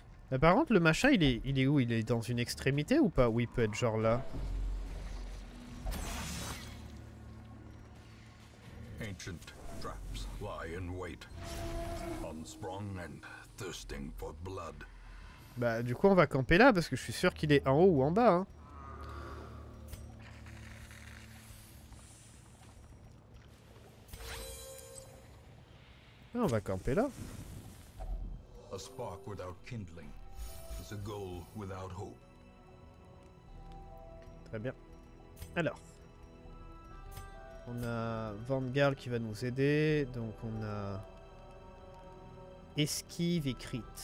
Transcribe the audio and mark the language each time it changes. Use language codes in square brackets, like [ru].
[fr] Mais par contre, le machin, il est où? Il est dans une extrémité ou pas? Où il peut être genre là? [en] Ancient traps lie in wait, unsprung and thirsting for blood. [fr] Bah du coup on va camper là parce que je suis sûr qu'il est en haut ou en bas hein. Ah, on va camper là. [en] A spark without kindling is a goal without hope. [fr] Très bien. Alors, On a Vanguard qui va nous aider. Donc on a esquive et crit.